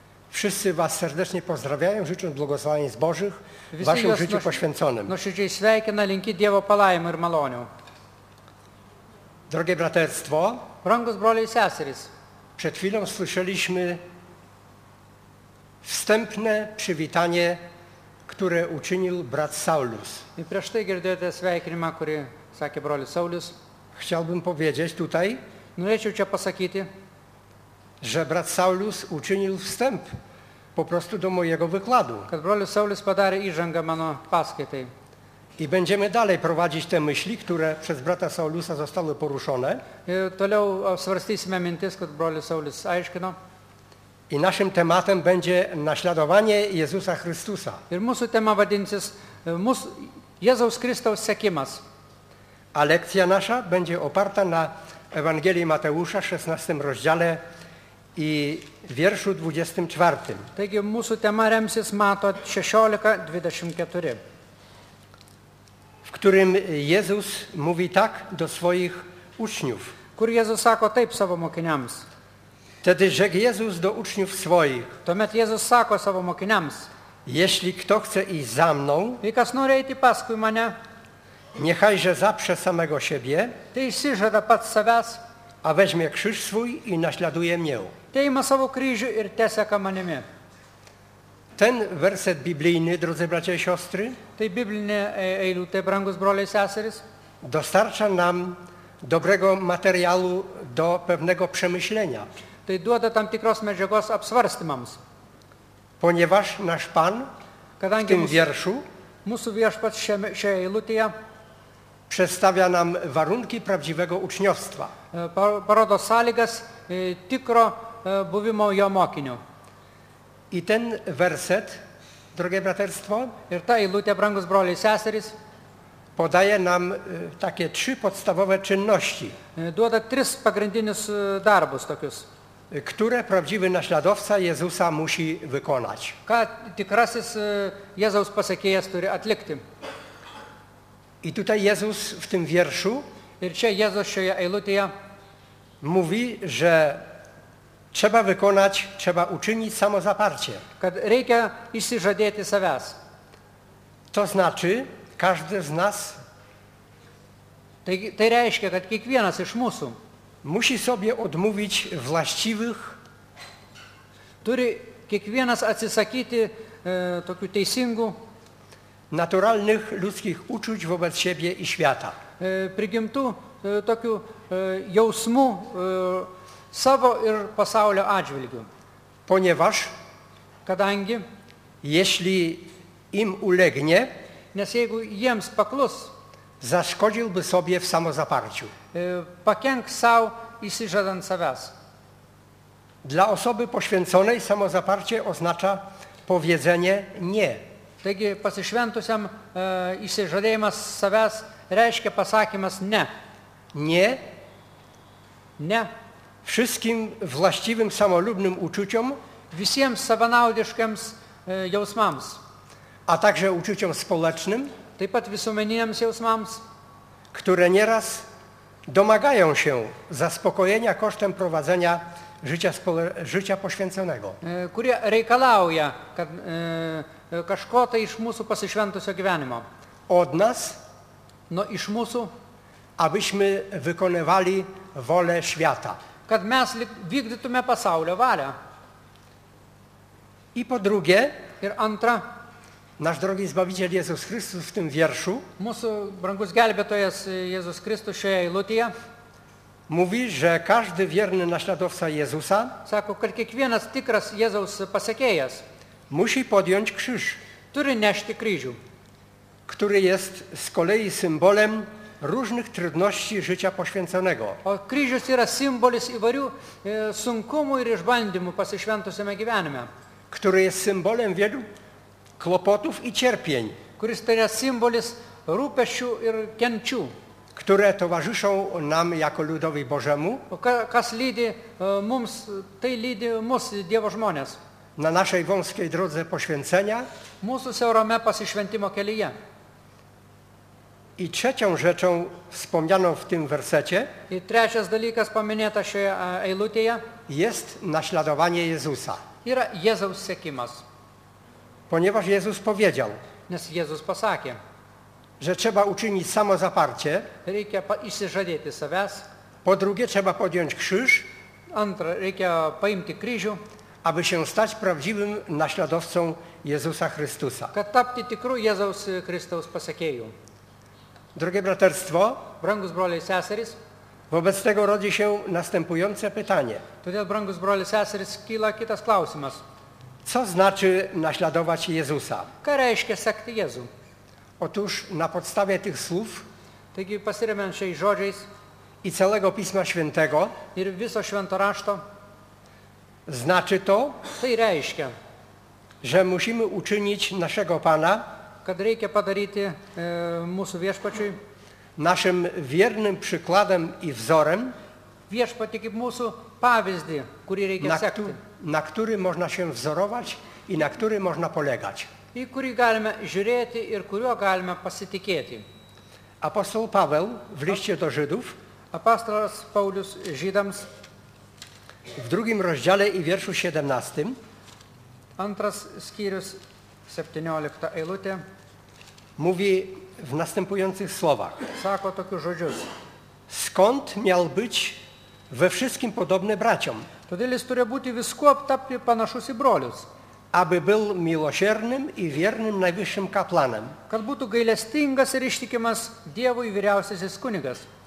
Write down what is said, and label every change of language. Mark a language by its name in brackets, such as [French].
[Polish] Wszyscy Was serdecznie pozdrawiają, życząc błogosławień z Bożych w Waszym życiu poświęconym. [Lithuanian] Nuoširdžiai sveikina, linki Dievo palaimų ir malonių. [Polish] Drogie braterstwo. [Lithuanian] Brangus broliai seserys. [Polish] Przed chwilą słyszeliśmy wstępne przywitanie, które uczynił brat Saulus. [Lithuanian] I prieš tai girdėjote sveikinimą, kurį sakė brolis Saulius. [Polish] Chciałbym powiedzieć tutaj. [Lithuanian] Norėčiau čia pasakyti. [Polish] Że brat Saulus uczynił wstęp po prostu do mojego wykładu. [Lithuanian] Kad brolis Saulius padarė įžangą mano paskaitai. [Polish] I będziemy dalej prowadzić te myśli, które przez brata Saulusa zostały poruszone. [Lithuanian] I toliau svarstysime mintis, kad brolis Saulius aiškino. [Polish] I naszym tematem będzie naśladowanie Jezusa Chrystusa. [Lithuanian] Ir mūsų tema vadinsis Jėzaus Kristaus sekimas. [Polish] A lekcja nasza będzie oparta na Ewangelii Mateusza, 16 rozdziale i wierszu 24. [Lithuanian] Taigi mūsų tema remsis Mato 16, 24. [Polish] W którym Jezus mówi tak do swoich uczniów. [Lithuanian] Kur Jezus sako taip savo mokiniams. [Polish] Tedy rzekł Jezus do uczniów swoich. [Lithuanian] Tuomet Jezus sako savo mokiniams. [Polish] Jeśli kto chce iść za mną, [Lithuanian] jei kas nori eiti paskui mane, [Polish] niechajże zaprze samego siebie, [Lithuanian] tai išsižada pats savęs, [Polish] a weźmie krzyż swój i naśladuje mnie. [Lithuanian] Tai ima savo kryžių ir teseka manimi. [Polish] Ten werset biblijny, drodzy bracia i siostry, [Lithuanian] tai biblinė eilutė, brangus broliai seserys, [Polish] dostarcza nam dobrego materiału do pewnego przemyślenia. [Lithuanian] Tai duoda tam tikros medžiagos apsvarstymams. [Polish] Ponieważ nasz Pan [Lithuanian] kadangi [Polish] w tym wierszu [Lithuanian] mūsų viešpats šioje eilutėje [Polish] przedstawia nam warunki prawdziwego uczniostwa. [Lithuanian] Parodo sąlygas tikro buvimo jo mokiniu. [Polish] I ten werset, drogie braterstwo, [Lithuanian] ir ta eilutė, brangus broliai, seserys, [Polish] podaje nam takie trzy podstawowe czynności. [Lithuanian] Duoda tris pagrindinius darbus tokius, [Polish] które prawdziwy naśladowca Jezusa musi wykonać. [Lithuanian] Ką tikrasis Jezus pasiekėjas turi atlikti. [Polish] I tutaj Jezus w tym wierszu [Lithuanian] ir čia Jezus šioje eilutėje [Polish] mówi, że trzeba wykonać, trzeba uczynić samozaparcie. [Lithuanian] Kad reikia išsižadėti savęs. [Polish] To znaczy, każdy z nas [Lithuanian] tai reiškia, kad kiekvienas iš mūsų [Polish] musi sobie odmówić właściwych, [Lithuanian] turi kiekvienas atsisakyti tokių teisingų [Polish] naturalnych ludzkich uczuć wobec siebie i świata. [Lithuanian] Prigimtų tokių jausmų savo ir pasaulio atžvilgiu. [Polish] Ponieważ [Lithuanian] kadangi [Polish] jeśli im ulegnie, [Lithuanian] nes jeigu jiems paklus, [Polish] zaszkodziłby sobie w samozaparciu. [Lithuanian] Pakenk sau išsižadant savęs. [Polish] Dla osoby poświęconej samozaparcie oznacza powiedzenie nie. [Lithuanian] Taigi pasišventusiam išsižadėjimas savęs reiškia pasakymas ne. [Polish] Nie. [Lithuanian] Ne. [Polish] Wszystkim właściwym samolubnym uczuciom, [Lithuanian] visiems savanaudiškiams jausmams, [Polish] a także uczuciom społecznym, [Lithuanian] taip pat visuomeniniams jausmams, [Polish] które nieraz domagają się zaspokojenia kosztem prowadzenia życia poświęconego. [Lithuanian] Kurie reikalauja, kad kažko tai iš mūsų pasišventusio gyvenimo. [Polish] Od nas, [Lithuanian] no iš mūsų, [Polish] abyśmy wykonywali wolę świata. [Lithuanian] Kad mes vykdytume pasaulio valią. [Polish] I po drugie, [Lithuanian] ir antra, [Polish] nasz drogi Zbawiciel Jezus Chrystus w tym wierszu, [Lithuanian] mūsų brangus gelbėtojas Jezus Chrystus šioje eilutėje, [Polish] mówi, że każdy wierny naśladowca Jezusa, [Lithuanian] sako, kad kiekvienas tikras Jezus pasiekėjas, [Polish] musi podjąć krzyż, [Lithuanian] turi nešti kryžių, [Polish] który jest z kolei symbolem różnych trudności życia poświęconego. [Lithuanian] O kryžius yra symbolis įvarių sunkumų ir išbandymų pasišventusiame gyvenime, [Polish] który jest symbolem wielu kłopotów i cierpień, [Lithuanian] kuris tai yra symbolis rūpesčių ir kenčių, [Polish] które towarzyszą nam jako ludowi Bożemu, [Lithuanian] kas lydi mums, tai lydi mus, Dievo žmonės, [Polish] na naszej wąskiej drodze poświęcenia, [Lithuanian] mūsų siaurame pasišventimo kelyje. [Polish] I trzecią rzeczą wspomnianą w tym wersecie, [Lithuanian] i trečias dalykas paminėta šioje eilutėje, [Polish] jest naśladowanie Jezusa. [Lithuanian] Yra Jėzaus sekimas. [Polish] Ponieważ Jezus powiedział, [Lithuanian] nes Jėzus pasakė, [Polish] że trzeba uczynić samozaparcie, [Lithuanian] reikia išsižadėti savęs, [Polish] po drugie trzeba podjąć krzyż, [Lithuanian] antra, reikia paimti kryžių, [Polish] aby się stać prawdziwym naśladowcą Jėzusa Chrystusa. [Lithuanian] Kad tapti tikru Jėzaus Chrystaus pasiekėju. [Polish] Drogie braterstwo, [Lithuanian] brangus broliai, seserys, [Polish] wobec tego rodzi się następujące pytanie. [Lithuanian] Todėl, brangus broliai, seserys, kyla kitas klausimas. [Polish] Co znaczy naśladować Jezusa? [Lithuanian] Ką reiškia sekti Jezu? [Polish] Otóż na podstawie tych słów, [Lithuanian] taigi pasiremiant šiais žodžiais, [Polish] i całego Pisma Świętego, [Lithuanian] ir viso švento rašto, [Polish] znaczy to, [Lithuanian] tai reiškia, [Polish] że musimy uczynić naszego Pana, [Lithuanian] kad reikia padaryti mūsų viešpačiui, [Polish] naszym wiernym przykładem i wzorem, [Lithuanian] viešpatį kaip mūsų pavyzdį, kurį reikia sekti, [Polish] na który można się wzorować i na który można polegać, [Lithuanian] i kurį galime žiūrėti ir kuriuo galime pasitikėti. [Polish] Apostoł Paweł w liście do Żydów, [Lithuanian] Apostolos Paulus Żydams, [Polish] w 2 rozdziale i wierszu 17, [Lithuanian] Antras skyrius 17 eilutė, [Polish] mówi w następujących słowach. [Lithuanian] Sako tokius žodžius. [Polish] Skąd miał być we wszystkim podobny braciom? [Lithuanian] Todėl jis turėjo būti viskuo tapti panašus į brolius. [Polish] Aby był miłosiernym i wiernym najwyższym kaplanem. [Lithuanian] Kad būtų gailestingas ir ištikimas Dievui vyriausiasis kunigas.